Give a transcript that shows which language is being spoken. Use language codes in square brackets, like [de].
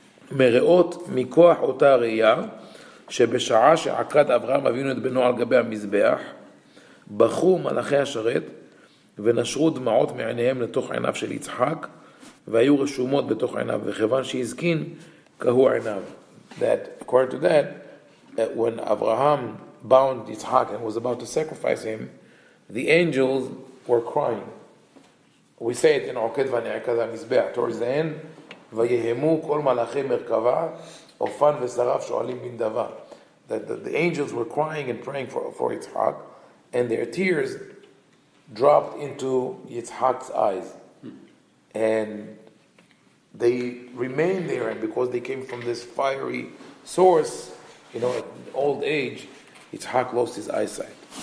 [he] Mereot mikoach ota reya, shebeshaa she'akad Avraham avinu et beno al gabei ha'mizbeach, bachu malachei ha'sharet, ונשרו דמעות מעיניהם לתוך עיניו של יצחק והיו רשומות בתוך עיניו וכיוון שהזכין כהו עיניו. [en] That according to that, when Abraham bound Yitzhak and was about to sacrifice him, the angels were crying. We say it in Oked [he] ונעקד המזבח, [en] towards the end, [he] ויהמו כל מלאכי מרכבה אופן ושרף שואלים בן דבר. [en] That the angels were crying and praying for Yitzhak, and their tears dropped into Yitzhak's eyes. And they remained there, and because they came from this fiery source, you know, at old age, Yitzhak lost his eyesight.